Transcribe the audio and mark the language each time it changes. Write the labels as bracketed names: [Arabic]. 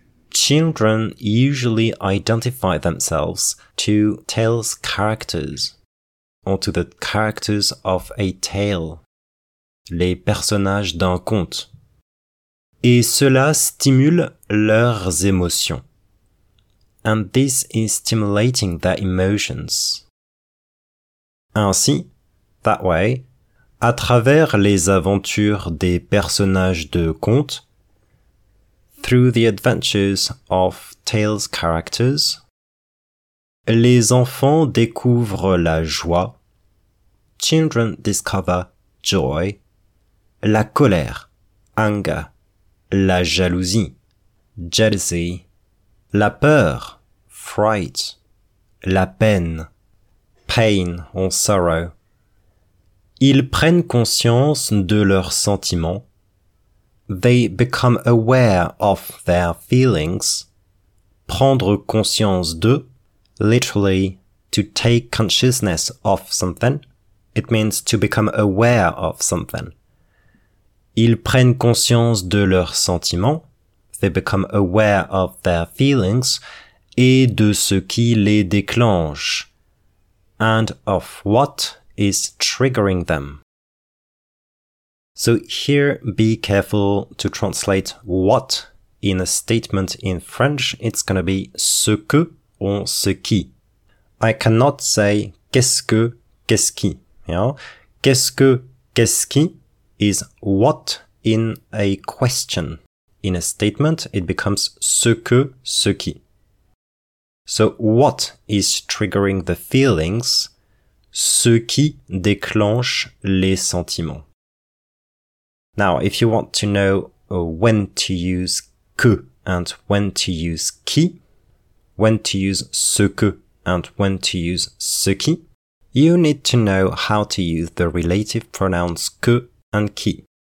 [English] Children usually identify themselves to tale's characters, or to the characters of a tale, [French] les personnages d'un conte. Et cela stimule leurs émotions. [English] And this is stimulating their emotions. [French] Ainsi, [English] that way, [French] à travers les aventures des personnages de conte, [English] through the adventures of tales characters, [French] les enfants découvrent la joie, [English] children discover joy, [French] la colère, [English] anger, [French] la jalousie, [English] jealousy, [French] la peur, [English] fright, [French] la peine, [English] pain or sorrow. [French] Ils prennent conscience de leurs sentiments. [English] They become aware of their feelings. [French] Prendre conscience de, [English] literally, to take consciousness of something. It means to become aware of something. [French] Ils prennent conscience de leurs sentiments, [English] they become aware of their feelings, [French] et de ce qui les déclenche, [English] and of what is triggering them. So here be careful to translate what in a statement in French, it's going to be [French] ce que ou ce qui. [English] I cannot say [French] qu'est-ce qui, [English] yeah? [French] Qu'est-ce que, qu'est-ce qui? [English] Is what in a question. In a statement, it becomes [French] ce que, ce qui. [English] So what is triggering the feelings? [French] Ce qui déclenche les sentiments. [English] Now, if you want to know when to use que and when to use qui, when to use ce que and when to use ce qui, you need to know how to use the relative pronouns que and qui.